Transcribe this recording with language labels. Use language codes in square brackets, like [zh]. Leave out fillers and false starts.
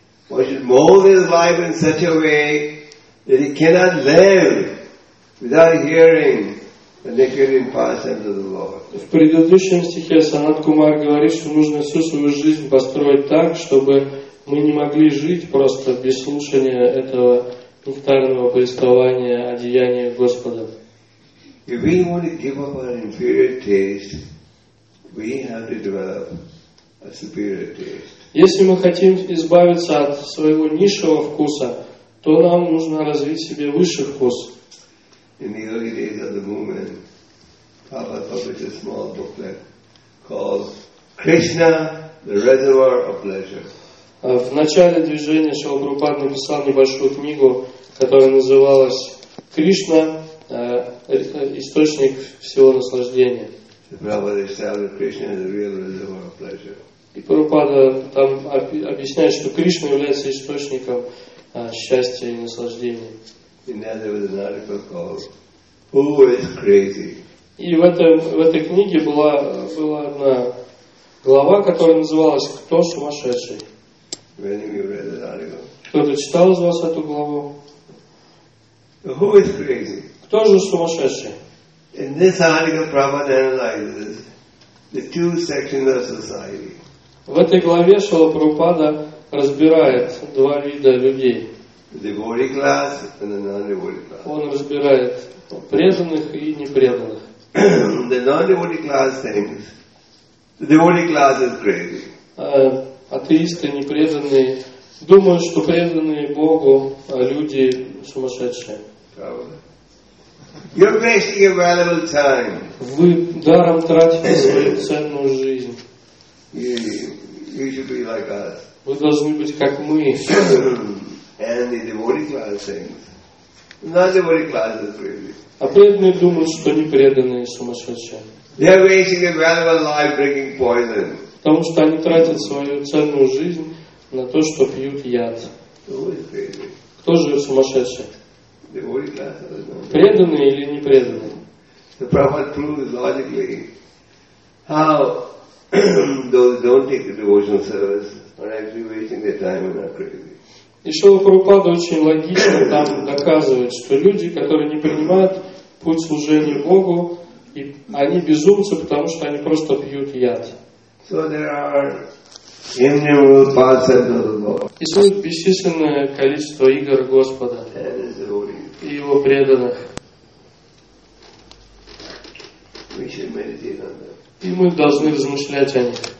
[en] One should mold his life in such a way that he cannot live without hearing the nectarian pastimes of the Lord. [ru] В предыдущем стихе Санат Кумар говорит, что нужно всю свою жизнь построить так, чтобы мы не могли жить просто без слушания этого нектарного повествования о деяниях Господа. [en] If we want to give up our inferior taste, we have to develop a superior taste. [ru] Если мы хотим избавиться от своего низшего вкуса, то нам нужно развить себе высший вкус. [en] In the early days of the movement, Prabhupada published a small booklet called Krishna, the Reservoir of Pleasure. [ru] В начале движения Шрила Прабхупада написал небольшую книгу, которая называлась Кришна, источник всего наслаждения. [en] Prabhupada established Krishna as a real reservoir of pleasure. [ru] И Прабхупада там объясняет, что Кришна является источником счастья и наслаждения. И в этой книге была одна глава, которая называлась «Кто сумасшедший?» Кто-то читал из вас эту главу? [en] Who is crazy? [ru] Кто же сумасшедший? [en] In this article, Prabhupada analyzes the two sections of society. [ru] В этой главе Шрила Прабхупада разбирает два вида людей. [en] Devotee class and the non-devotee class. [ru] Он разбирает преданных и непреданных. [en] The non-devotee class thinks the devotee class is crazy. [ru] Атеисты, непреданные, думают, что преданные Богу люди сумасшедшие. [en] You're wasting your valuable time. [ru] Вы даром тратите свою ценную жизнь. [en] You should be like us. [ru] Вы должны быть как мы. [en] And the devotee class thinks. Not the devotee class is crazy. [ru] А преданные думают, что непреданные сумасшедшие. [en] They are wasting their valuable life drinking poison. [ru] Потому что они тратят свою ценную жизнь на то, что пьют яд. Кто же сумасшедший? [en] Devotee class doesn't. [ru] Преданные или непреданные? [en] The Prabhupada proves logically how those don't take the devotional service are actually wasting their time and are crazy. [ru] И Шрила Прабхупада очень логично там доказывает, что люди, которые не принимают путь служения Богу, и они безумцы, потому что они просто пьют яд. [en] So there are innumerable pastimes of the Lord. [ru] И существует бесчисленное количество игр Господа и Его преданных. [en] We should meditate on that. [ru] И мы должны размышлять о них.